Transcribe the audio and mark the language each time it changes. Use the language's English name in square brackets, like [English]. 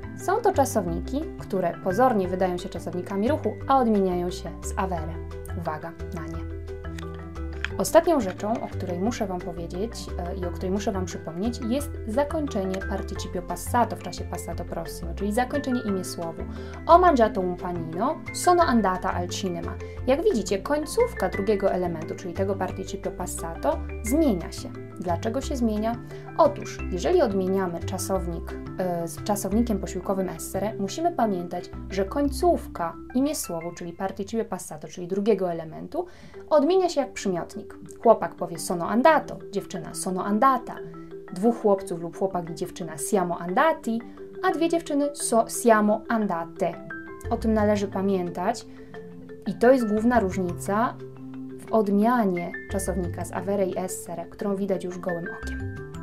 [Polish] Są to czasowniki, które pozornie wydają się czasownikami ruchu, a odmieniają się z avere. Uwaga na nie. Ostatnią rzeczą, o której muszę Wam powiedzieć i o której muszę Wam przypomnieć, jest zakończenie participio passato w czasie passato prossimo, czyli zakończenie imię słowu. [Italian] Ho mangiato un panino, sono andata al cinema. [Polish] Jak widzicie, końcówka drugiego elementu, czyli tego participio passato, zmienia się. Dlaczego się zmienia? Otóż, jeżeli odmieniamy czasownik z czasownikiem posiłkowym essere, musimy pamiętać, że końcówka imię słowu, czyli participio passato, czyli drugiego elementu, odmienia się jak przymiotnik. Chłopak powie [Italian] sono andato, [Polish] dziewczyna [Italian] sono andata. [Polish] Dwóch chłopców lub chłopak i dziewczyna [Italian] siamo andati, [Polish] a dwie dziewczyny [Italian] siamo andate. [Polish] O tym należy pamiętać i to jest główna różnica w odmianie czasownika z avere i essere, którą widać już gołym okiem.